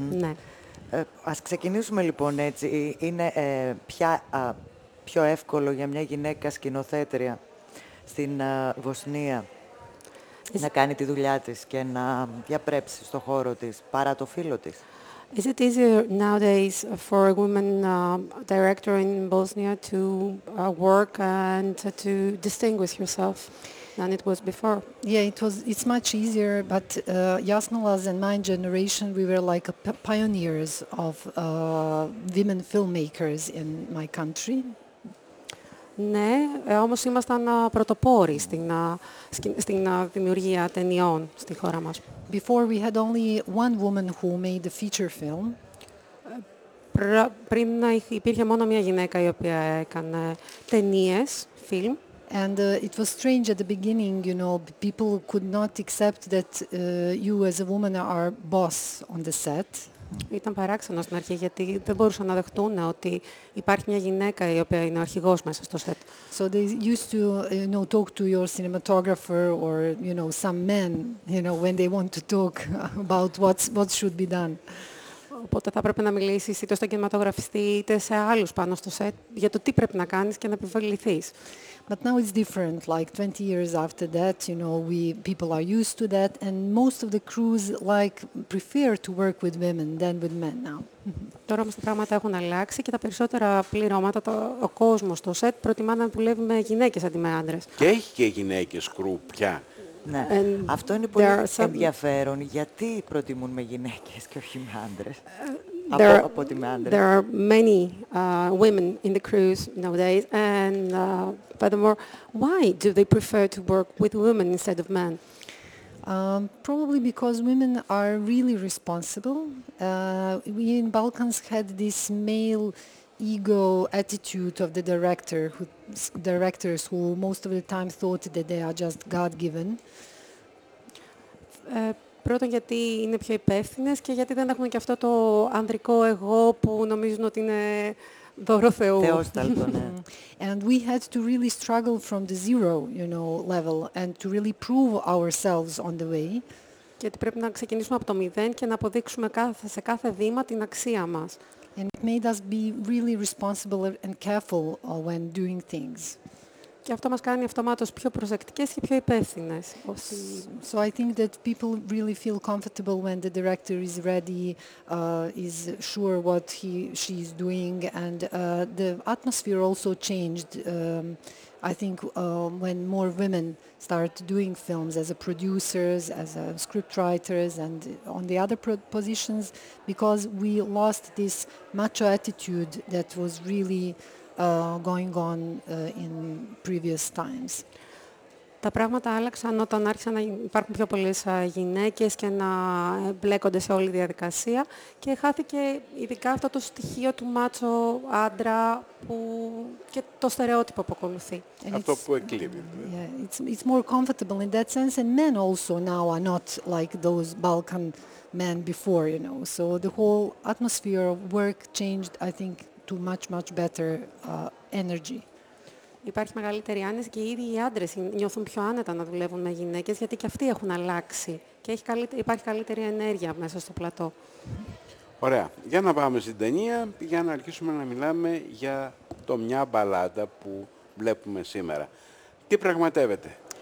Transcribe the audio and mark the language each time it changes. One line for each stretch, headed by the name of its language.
Greek: Ναι. Ας ξεκινήσουμε λοιπόν έτσι. Είναι ποια πιο εύκολο για μια γυναίκα σκηνοθέτρια στην Βοσνία να κάνει τη δουλειά της και να διαπρέψει στο χώρο της παρά το φίλο της?
English: Is it easier nowadays for a woman director in Bosnia to work and to distinguish herself than it was before? Yeah, it's much easier, but Jasnovas and my generation, we were like pioneers of women filmmakers in my country.
Greek: Ναι, όμως ήμασταν πρωτοπόροι στην δημιουργία ταινιών στη χώρα μας.
English: Before we had only one woman who made a feature film.
Greek: Πριν υπήρχε μόνο μία γυναίκα η οποία έκανε ταινίες, film.
English: And it was strange at the beginning, you know, people could not accept that you as a woman are boss on the set.
Greek: Ήταν παράξενο στην αρχή, γιατί δεν μπορούσαν να δεχτούν ότι υπάρχει μια γυναίκα η οποία είναι ο αρχηγός μέσα στο σετ.
English: So they used to, you know, talk to your cinematographer or, you know, some men, you know, when they want to talk about what should be done.
Greek: Οπότε θα πρέπει να μιλήσεις είτε στον κινηματογραφιστή είτε σε άλλους πάνω στο σετ για το τι πρέπει να κάνεις και να επιβεληθείς.
English: But now it's different, like 20 years after that, you know, people are used to that, and most of the crews like prefer to work with women than with men now.
Greek: Τώρα όμως τα πράγματα έχουν αλλάξει και τα περισσότερα πληρώματα, ο κόσμος στο σετ προτιμά να δουλεύει με γυναίκες αντί με άντρες. Και έχει και γυναίκες crew πια. Ναι, and αυτό είναι πολύ ενδιαφέρον. Γιατί προτιμούν με γυναίκες και όχι με άντρες?
English: There are many women in the crews nowadays, and furthermore, why do they prefer to work with women instead of men? Probably because women are really responsible. We in Balkans had this male ego attitude of the directors who most of the time thought that they are just God-given.
Greek: Πρώτον, γιατί είναι πιο υπεύθυνες και γιατί δεν έχουμε και αυτό το ανδρικό εγώ που νομίζουν ότι είναι δώρο Θεού. Θεός τέλτο, ναι.
English: And we had to really struggle from the zero, you know, level and to really prove ourselves on the way.
Greek: Γιατί πρέπει να ξεκινήσουμε από το μηδέν και να αποδείξουμε σε κάθε βήμα την αξία μας.
English: And it made us be really responsible and careful when doing things.
Greek: Και αυτό μας κάνει αυτομάτως πιο προσεκτικές και πιο υπεύθυνες.
English: So I think that people really feel comfortable when the director is ready, is sure what she is doing, and the atmosphere also changed. I think when more women start doing films as a producers, as a script writers, and on the other positions, because we lost this macho attitude that was really going on in previous times.
Greek: Τα πράγματα άλλαξαν όταν άρχισαν να υπάρχουν πιο πολλές γυναίκες και να μπλέκονται σε όλη τη διαδικασία και χάθηκε ειδικά αυτό το στοιχείο του μάτσο άντρα που και το στερεότυπο που ακολουθεί. Αυτό που εκλείπει.
English: It's more comfortable in that sense, and men also now are not like those Balkan men before, you know. So the whole atmosphere of work changed, I think, to much, much better energy.
Greek: Υπάρχει μεγαλύτερη άνεση και οι ίδιοι οι άντρες νιώθουν πιο άνετα να δουλεύουν με γυναίκες, γιατί και αυτοί έχουν αλλάξει και υπάρχει καλύτερη ενέργεια μέσα στο πλατό. Ωραία. Για να πάμε στην ταινία, για να αρχίσουμε να μιλάμε για το μια μπαλάντα που βλέπουμε σήμερα. Τι πραγματεύεται?